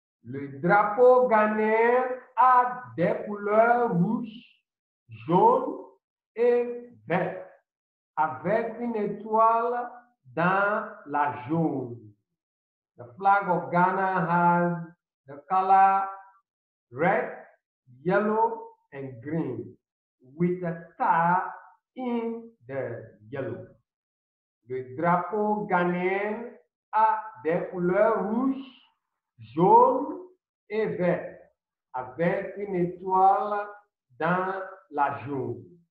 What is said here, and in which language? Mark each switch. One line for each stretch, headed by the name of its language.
French: Le drapeau ghanéen a des couleurs rouge, jaune et vert, avec une étoile dans la jaune.
English: The flag of Ghana has the color red, yellow, and green, with a star in the yellow.
French: Le drapeau ghanéen a des couleurs rouge, jaune et vert, avec une étoile dans la jaune.